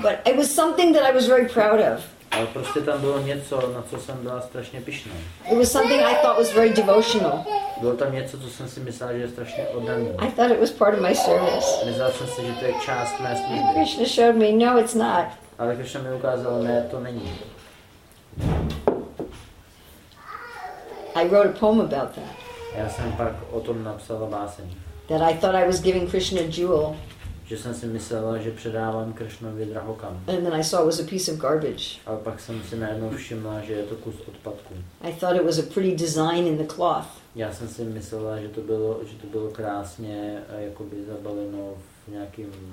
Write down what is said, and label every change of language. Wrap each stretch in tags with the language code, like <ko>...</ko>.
<en>But it was something that I was very proud of.</en> <cs>Ale prostě tam bylo něco, na co jsem byla strašně pyšná.</cs> <en>It was something I thought was very devotional.</en> <cs>Bylo tam něco, co jsem si myslela, že je strašně oddaný.</cs> <en>I thought it was part of my service.</en> <cs>Myslela jsem si, že to je část mé služby.</cs> <en>Krishna showed me, no, it's not.</en> <cs>Ale Krishna mi ukázal, ne, to není.</cs> <en>I wrote a poem about that.</en> <cs>Já jsem pak o tom napsala báseň.</cs> <en>That I thought I was giving Krishna a jewel.</en> <cs>Že jsem si myslela, že předávám Krishnovi drahokam.</cs> <en>And then I saw it was a piece of garbage.</en> <cs>A pak jsem si najednou všimla, že je to kus odpadku.</cs> <en>I thought it was a pretty design in the cloth.</en> <cs>Já jsem si myslela, že to bylo krásně jakoby zabaleno v nějakým</cs>